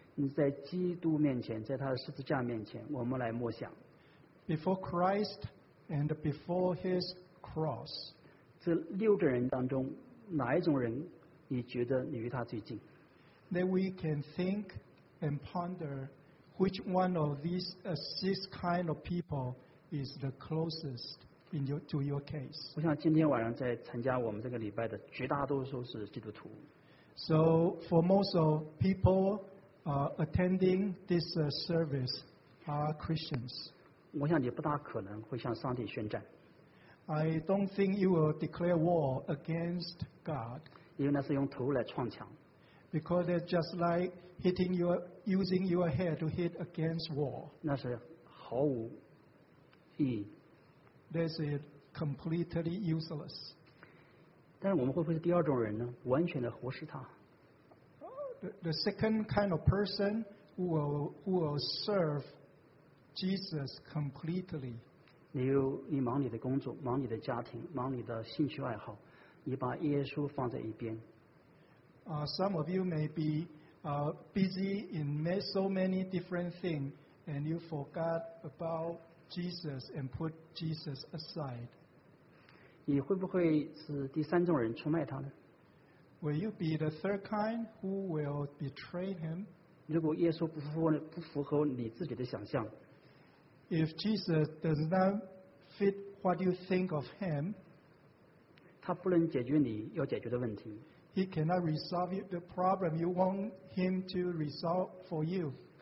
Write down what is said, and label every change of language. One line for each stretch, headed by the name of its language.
Chinese: 你在基督面前，在他的十字架面前，我们来默想。
English: Before Christ and before His cross.
Chinese: 这六个人当中，哪一种人你觉得你与他最近
English: ？That we can think and ponder. Which one of these six kind of people is the closest in to your case?
Chinese: 我想今天晚上在参加我们这个礼拜的绝大多数是基督徒。
English: So for most of people attending this service are Christians.
Chinese: 我想你不大可能会向上帝宣战。
English: I don't think you will declare war against God.
Chinese: 因为那是用头来撞墙。
English: Because it's just like hitting your using your head to hit against wall.
Chinese: 那是毫无意义。
English: That's it, completely useless.
Chinese: 但是我们会不会是第二种人呢？完全的忽视他。
English: The second kind of person who will serve Jesus completely.
Chinese: 你忙你的工作，忙你的家庭，忙你的兴趣爱好。
English: Some of you may be busy in so many different things, and you forgot about Jesus and put Jesus aside.
Chinese: 你会不会是第三种人出卖他呢？
English: Will you be the third kind who will betray him?
Chinese: 如果耶稣不符合你自己的想象，
English: If Jesus does not fit what you think of him,
Chinese: 他不能解决你要解决的问题。
English: He cannot resolve the problem you want him to resolve for you.